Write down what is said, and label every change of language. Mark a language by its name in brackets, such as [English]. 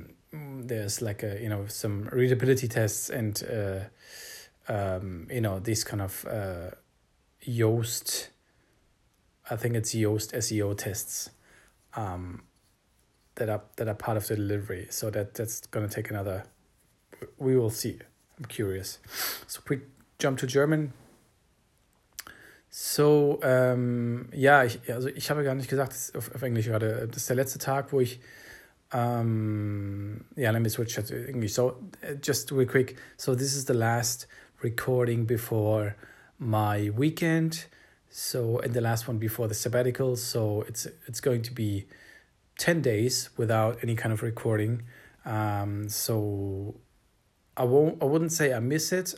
[English] There's like a, you know, some readability tests and you know, these kind of Yoast, I think it's Yoast SEO tests that are part of the delivery. So that's gonna take another, we will see. I'm curious. So quick jump to German. [German] So ich habe gar nicht gesagt, auf Englisch gerade, das ist der letzte Tag, wo ich [English] let me switch to English. So just real quick, so this is the last recording before my weekend, so and the last one before the sabbatical, so it's going to be 10 days without any kind of recording. So I wouldn't say I miss it.